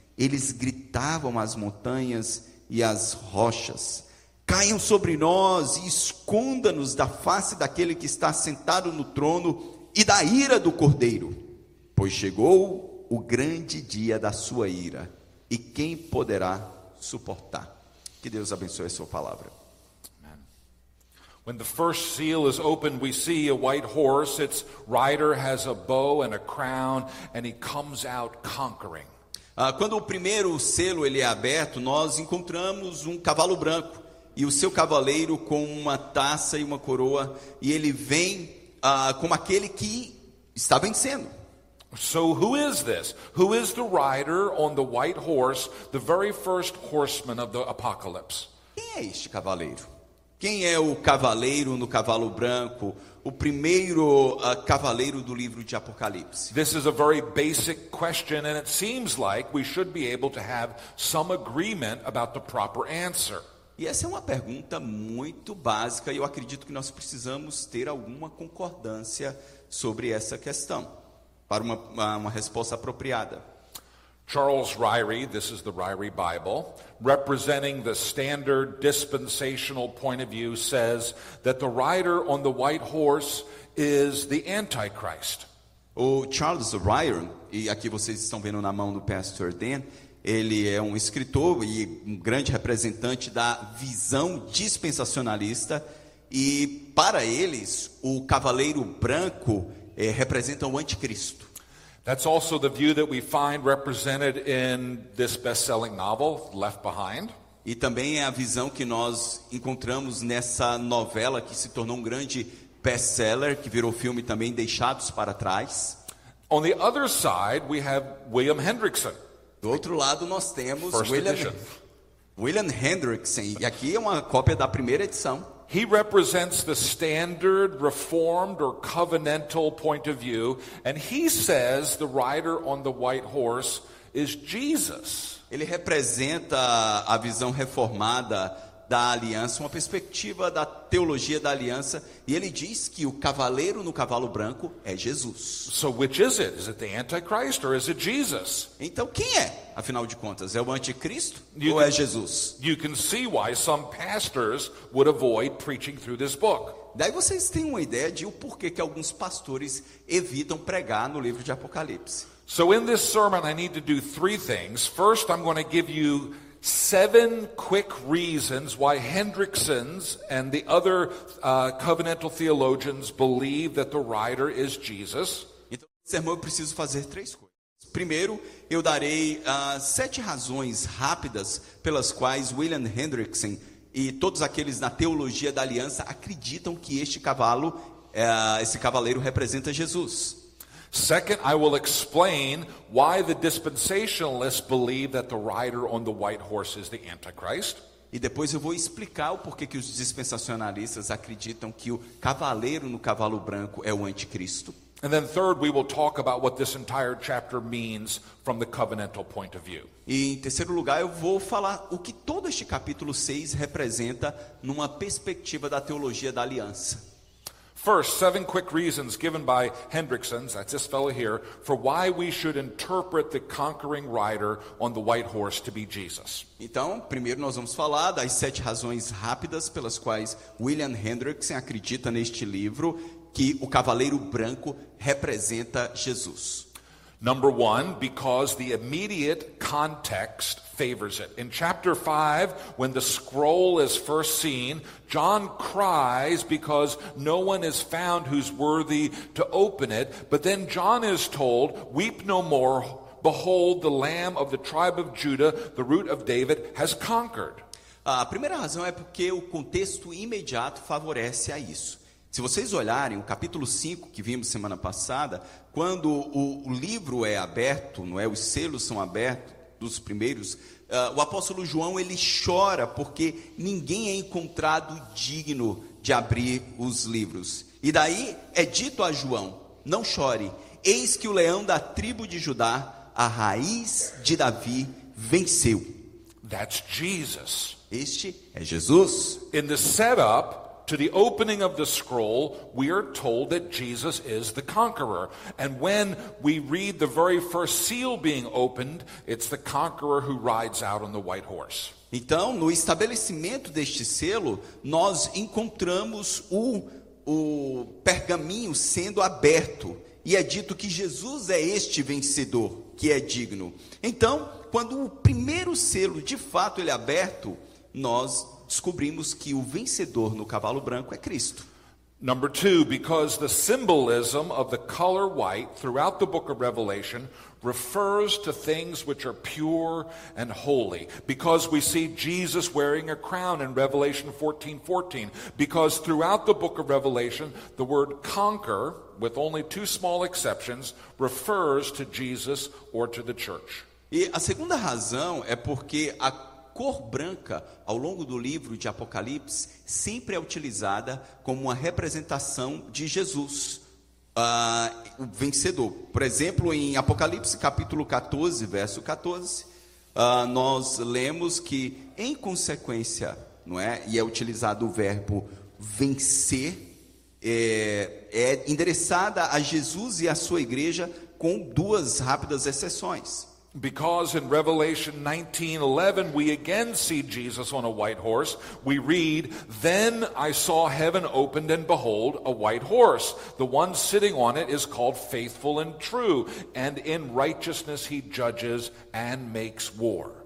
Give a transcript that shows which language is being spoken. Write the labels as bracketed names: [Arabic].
[Portuguese] Eles gritavam às montanhas e às rochas: caiam sobre nós e esconda-nos da face daquele que está sentado no trono e da ira do Cordeiro. Pois chegou o grande dia da sua ira, e quem poderá suportar? Que Deus abençoe a sua palavra. [English] When the first seal is opened, we see a white horse. Its rider has a bow and a crown, and he comes out conquering. [Portuguese] Quando o primeiro selo ele é aberto, nós encontramos um cavalo branco e o seu cavaleiro com uma taça e uma coroa, e ele vem como aquele que está vencendo. [English] So who is this? Who is the rider on the white horse, the very first horseman of the apocalypse? [Portuguese] Quem é este cavaleiro? Quem é o cavaleiro no cavalo branco, o primeiro cavaleiro do livro de Apocalipse? [English] This is a very basic question, and it seems like we should be able to have some agreement about the proper answer. [Portuguese] E essa é uma pergunta muito básica, e eu acredito que nós precisamos ter alguma concordância sobre essa questão, para uma resposta apropriada. [English] Charles Ryrie, this is the Ryrie Bible, representing the standard dispensational point of view, says that the rider on the white horse is the Antichrist. [Portuguese] O Charles Ryrie, e aqui vocês estão vendo na mão do pastor Dan, ele é um escritor e um grande representante da visão dispensacionalista, e para eles, o cavaleiro branco representa o anticristo. [English] That's also the view that we find represented in this best-selling novel, Left Behind. [Portuguese] E também é a visão que nós encontramos nessa novela que se tornou um grande best-seller, que virou filme também, Deixados para Trás. [English] On the other side, we have William Hendrickson. [Portuguese] Do outro lado, nós temos William Hendrickson. E aqui é uma cópia da primeira edição. [English] He represents the standard reformed or covenantal point of view, and he says the rider on the white horse is Jesus. [Portuguese] Ele representa a visão reformada da aliança, uma perspectiva da teologia da aliança, e ele diz que o cavaleiro no cavalo branco é Jesus. [English] So which is it? Is it the Antichrist or is it Jesus? [Portuguese] Então quem é, afinal de contas? É o anticristo ou é Jesus? [English] You can see why some pastors would avoid preaching through this book. [Portuguese] Daí vocês têm uma ideia de o porquê que alguns pastores evitam pregar no livro de Apocalipse. [English] So in this sermon I need to do three things. First, I'm going to give you 7 quick reasons why Hendrickson's and the other covenantal theologians believe that the rider is Jesus. [Portuguese] Então, sermão, eu preciso fazer 3 coisas. Primeiro, eu darei 7 razões rápidas pelas quais William Hendrickson e todos aqueles na teologia da aliança acreditam que este cavalo, esse cavaleiro representa Jesus. [English] Second, I will explain why the dispensationalists believe that the rider on the white horse is the Antichrist. [Portuguese] E depois eu vou explicar o porquê que os dispensacionalistas acreditam que o cavaleiro no cavalo branco é o anticristo. [English] And then third, we will talk about what this entire chapter means from the covenantal point of view. [Portuguese] E em terceiro lugar, eu vou falar o que todo este capítulo 6 representa numa perspectiva da teologia da aliança. [English] First, 7 quick reasons given by Hendrickson's, that's this fellow here, for why we should interpret the conquering rider on the white horse to be Jesus. [Portuguese] Então, primeiro nós vamos falar das 7 razões rápidas pelas quais William Hendrickson acredita neste livro que o cavaleiro branco representa Jesus. [English] Number 1, because the immediate context favors it. In chapter 5, when the scroll is first seen, John cries because no one is found who's worthy to open it. But then John is told, weep no more, behold, the Lamb of the tribe of Judah, the root of David, has conquered. [Portuguese] A primeira razão é porque o contexto imediato favorece a isso. Se vocês olharem o capítulo 5 que vimos semana passada, quando o livro é aberto, não é? Os selos são abertos dos primeiros, o apóstolo João ele chora porque ninguém é encontrado digno de abrir os livros. E daí é dito a João, não chore, eis que o leão da tribo de Judá, a raiz de Davi, venceu. [English] That's Jesus. [Portuguese] Este é Jesus. [English] In the setup to the opening of the scroll, we are told that Jesus is the conqueror. And when we read the very first seal being opened, it's the conqueror who rides out on the white horse. [Portuguese] Então, no estabelecimento deste selo, nós encontramos o pergaminho sendo aberto. E é dito que Jesus é este vencedor, que é digno. Então, quando o primeiro selo, de fato, ele é aberto, nós descobrimos que o vencedor no cavalo branco é Cristo. [English] Number two, because the symbolism of the color white throughout the book of Revelation refers to things which are pure and holy. Because we see Jesus wearing a crown in Revelation 14:14. Because throughout the book of Revelation, the word conquer, with only two small exceptions, refers to Jesus or to the church. [Portuguese] E a segunda razão é porque a cor branca, ao longo do livro de Apocalipse, sempre é utilizada como uma representação de Jesus, o vencedor. Por exemplo, em Apocalipse capítulo 14, verso 14, nós lemos que, em consequência, não é? E é utilizado o verbo vencer, é endereçada a Jesus e a sua igreja com duas rápidas exceções. [English] Because in Revelation 19:11 we again see Jesus on a white horse, we read, "Then I saw heaven opened, and behold, a white horse. The one sitting on it is called Faithful and True, and in righteousness he judges and makes war."